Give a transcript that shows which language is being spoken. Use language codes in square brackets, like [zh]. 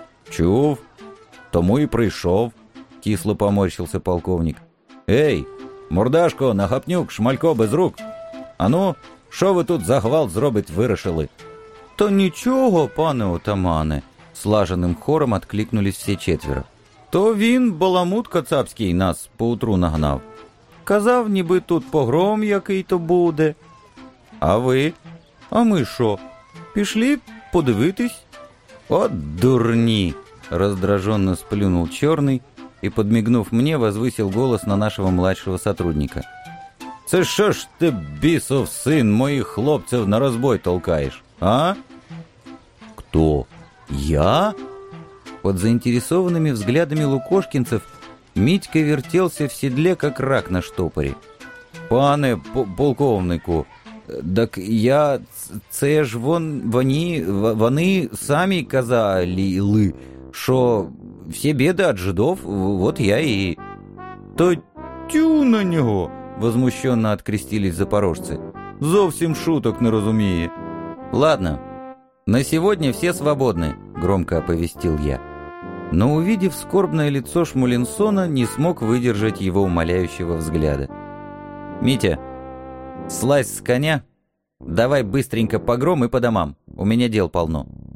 [ru] «Чув, тому и пришел», — кисло поморщился полковник. «Эй! Мурдашко, нахапнюк, шмалько без рук! А ну, шо вы тут за гвалт зробить вырашили?» [uk] «То ничего, пане отамане!» [ru] — слаженным хором откликнулись все 4. [uk] «То він, баламут кацапський, нас поутру нагнав. Казав, ніби тут погром який-то буде. А ви? А ми шо? Пішли подивитись?» «От дурні!» [ru] — раздраженно сплюнув Чорний и, подмигнув мне, возвысил голос на нашего младшего сотрудника. «Це що ж ты, [uk] бісов син, [ru] моих хлопцев на разбой толкаешь, а?» «Кто? Я?» Под заинтересованными взглядами лукошкинцев Митька вертелся в седле, как рак на штопоре. [uk] «Пане полковнику, так я... це ж вон... вони... вони сами казали, шо... [ru] все беды от жидов, вот я и...» «То тю на него!» — возмущенно открестились запорожцы. [uk] «Зовсім [ru] шуток [uk] не разумею». [ru] «Ладно, на сегодня все свободны», — громко оповестил я. Но, увидев скорбное лицо Шмулинсона, не смог выдержать его умоляющего взгляда. «Митя, слазь с коня, давай быстренько погром и по домам, у меня дел полно».